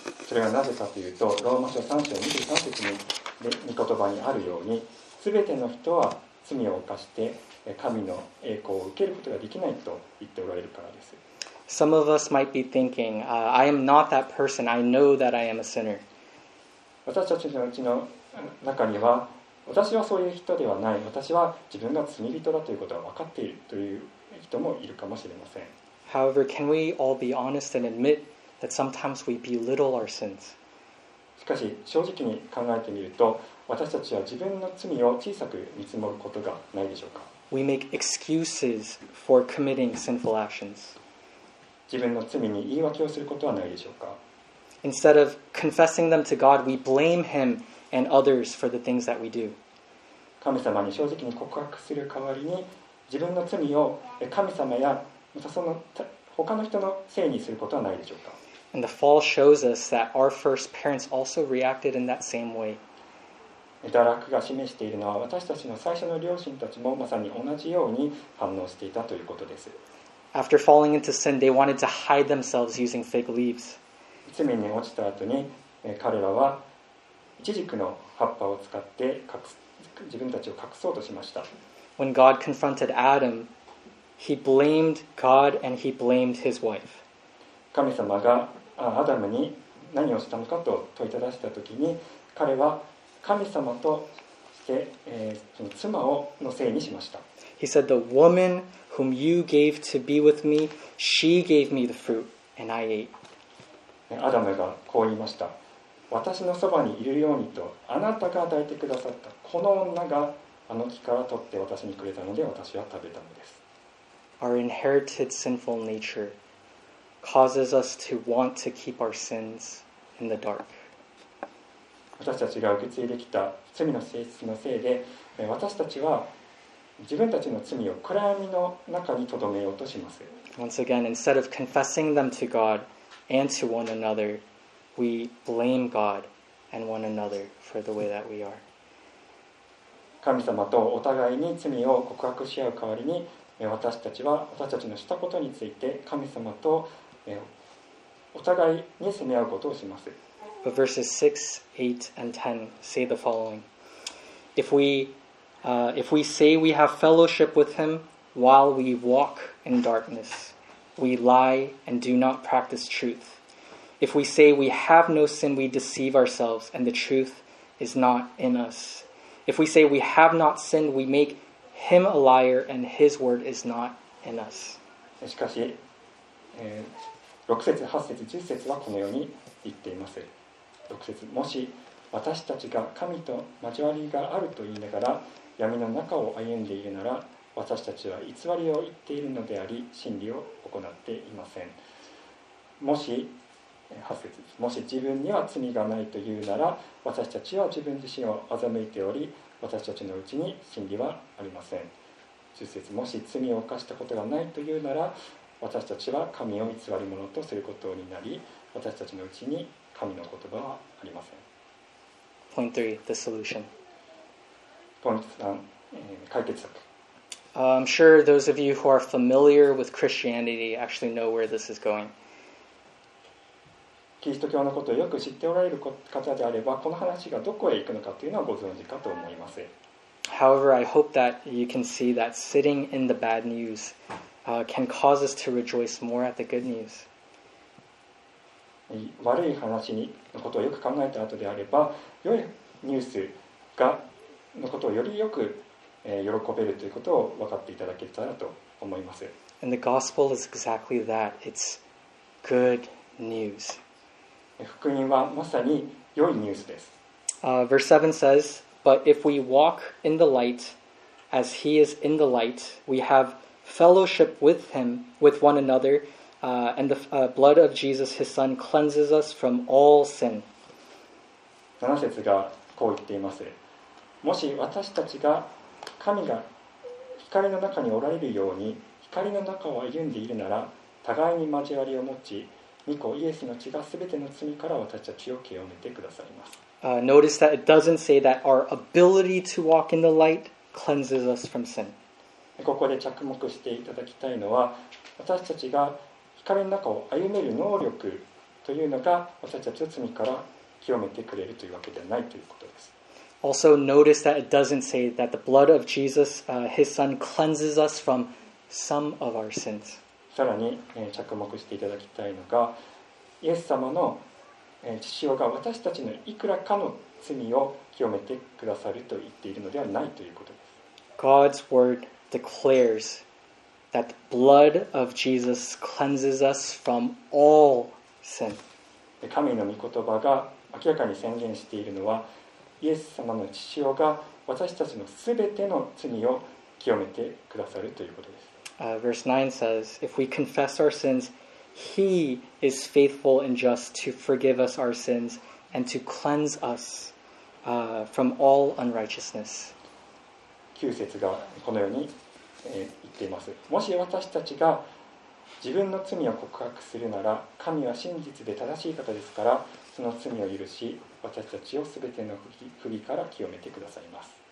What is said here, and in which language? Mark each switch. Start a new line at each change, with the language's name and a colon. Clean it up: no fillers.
Japanese: それはなぜかというと、ローマ書3章23節に御言葉にあるように、すべての人は罪を犯して神の栄光を受けることができないと言っておられるからです。
English: Some of us might be thinking, I am not that person. I know that I am a sinner.
Japanese: 私たちのうちの中には、私はそういう人ではない。私は自分が罪人だということは分かっているという人もいるかもしれません。
English: However, can we all be honest and admit that sometimes we belittle our sins?
Japanese: しかし、正直に考えてみると、私たちは自分の罪を小さく見積もることがないでしょうか。
English: we make excuses for committing sinful actions.
Japanese: 自分の罪に言い訳をすることはないでしょうか?
English: Instead of confessing them to God, we blame Him and others for the things that we do.
Japanese: 神様に正直に告白する代わりに、自分の罪を神様やその他の人のせいにすることはないでしょうか?
English: And the fall shows us that our first parents also reacted in that same way.
Japanese: 堕落が示しているのは、私たちの最初の両親たちもまさに同じように反応していたということです。
English: After falling into sin, they wanted to hide themselves using fig leaves.
Japanese: 罪に落ちた後に、彼らはイチジクの葉っぱを使って自分たちを隠そうとしました。
English: When God confronted Adam, he blamed God and he blamed his wife.
Japanese: 神様がアダムに何をしたのかと問いただした時に、彼は神様として、その妻をのせいにしました。
English: He said, "The woman whom you gave to be with me, she gave me the fruit, and I ate."
Japanese: アダムがこう言いました。私のそばにいるようにと、あなたが与えてくださったこの女があの木から取って私にくれたので、私は食べたのです。
English: Our inherited sinful nature causes us to want to keep our sins in the dark.
Japanese: 私たちが受け継いできた罪の性質のせいで、私たちは自分たちの罪を暗闇の中に留めようとします。
English: Once again, instead of confessing them to God and to one another, we blame God and one another for the way that we are.
Japanese: 神様とお互いに罪を告白し合う代わりに、私たちは私たちのしたことについて神様とお互いに責め合うことをします。
English: But verses 6, 8, and 10 say the following. If we say we have fellowship with him while we walk in darkness, we lie and do not practice truth. If we say we have no sin, we deceive ourselves and the truth is not in us. If we say we have not sinned, we make him a liar and his word is not in us.
Japanese: しかし、6節、8節、10節はこのように言っています。 6節、もし私たちが神と交わりがあると言いながら、闇の中を歩んでいるなら、私たちは偽りを言っているのであり、真理を行っていません。もし、8節、もし自分には罪がないというなら、私たちは自分自身を欺いており、私たちのうちに真理はありません。 10節、もし罪を犯したことがないというなら、私たちは神を偽り者とすることになり、私たちのうちに神の言葉はありません。
English: Point 3, the solution. I'm sure those of you who are familiar with Christianity actually know where this is going.
Japanese: キリスト教のことをよく知っておられる方であれば、この話がどこへ行くのかというのはご存知かと思います。
English: However, I hope that you can see that sitting in the bad news can cause us to rejoice more at the good news.
Japanese: 悪い話のことをよく考えた後であれば、良いニュースがのことをよりよく喜べるということを分かっていただけたらと思います。
English: And the gospel is exactly that. It's good news.
Japanese: 福音はまさに良いニュースです。
English: Verse 7 says, But if we walk in the light, as he is in the light, we have fellowship with him, with one another, and the blood of Jesus, his son, cleanses us from all sin.
Japanese: 7節がこう言っています。もし私たちが神が光の中におられるように光の中を歩んでいるなら、互いに交わりを持ち、御子イエスの血がすべての罪から私たちを清めてくださいます。
English: Notice that it doesn't say that our ability to walk in the light cleanses us from sin.
Japanese: ここで着目していただきたいのは、私たちが光の中を歩める能力というのが私たちを罪から清めてくれるというわけではないということです。
English: Also notice that it doesn't say that the blood of Jesus, his son, cleanses us from some of our sins.
Japanese: さらに、着目していただきたいのが、イエス様の、血潮が私たちのいくらかの罪を清めてくださると言っているのではないということです。
English: God's word declares that the blood of Jesus cleanses us from all sin.
Japanese: 神の御言葉が明らかに宣言しているのは、イエス様の血潮が私たちのすべての罪を清めてくださるということです。
English: Verse 9 says, if we confess our sins, He is faithful and just to forgive us our sins and to cleanse us from all unrighteousness.
Japanese: 9節がこのように、言っています。もし私たちが自分の罪を告白するなら、神は真実で正しい方ですから、その罪を許し、私たちをすべての不義から清めてくださいます。